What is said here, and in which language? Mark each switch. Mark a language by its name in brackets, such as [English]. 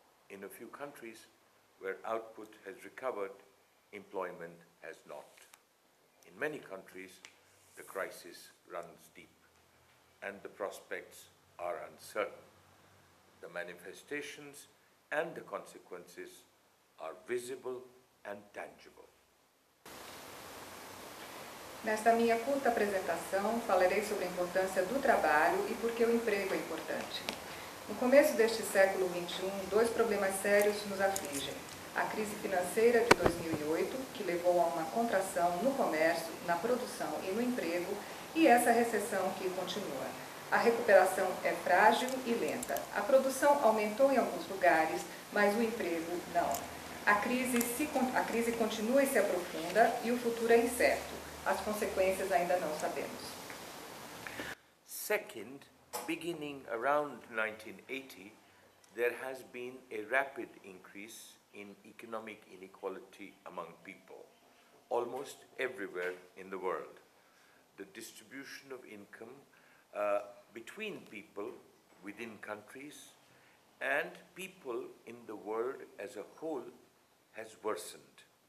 [English] In a few countries where output has recovered, employment has not. In many countries, the crisis runs deep, and the prospects are uncertain. The manifestations and the consequences are visible and tangible. [Portuguese] Nesta minha curta apresentação, falarei sobre a importância do trabalho e por que o emprego é importante. No começo deste século XXI, dois problemas sérios nos afligem. A crise financeira de 2008, que levou a uma contração no comércio, na produção e no emprego, e essa recessão que continua. A recuperação é frágil e lenta. A produção aumentou em alguns lugares, mas o emprego não. A crise continua e se aprofunda, e o futuro é incerto. As consequências ainda não sabemos. [English] Second, beginning around 1980, there has been a rapid increase in economic inequality among people, almost everywhere in the world. The distribution of income between people within countries and people in the world as a whole has worsened.